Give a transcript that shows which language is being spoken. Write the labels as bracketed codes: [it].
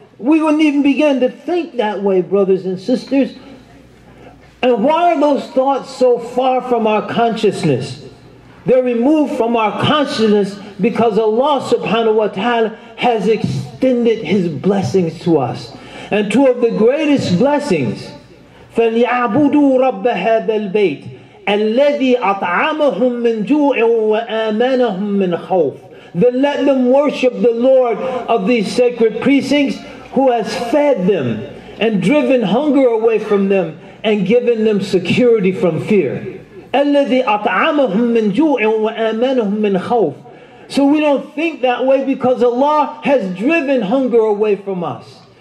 [en] We wouldn't even begin to think that way, brothers and sisters. And why are those thoughts so far from our consciousness? They're removed from our consciousness because Allah subhanahu wa ta'ala has extended His blessings to us. And two of the greatest blessings, [ar] فَلْيَعْبُدُوا رَبَّ هَذَا الْبَيْتِ الَّذِي أَطْعَمَهُمْ مِنْ جُوعٍ وَآمَنَهُمْ مِنْ خَوْفٍ. [en] Then let them worship the Lord of these sacred precincts who has fed them and driven hunger away from them and given them security from fear. [ar] الَّذِي أَطْعَمَهُمْ مِنْ جُوعٍ وَآمَنَهُمْ مِنْ خَوْفٍ. [en] So we don't think that way because Allah has driven hunger away from us.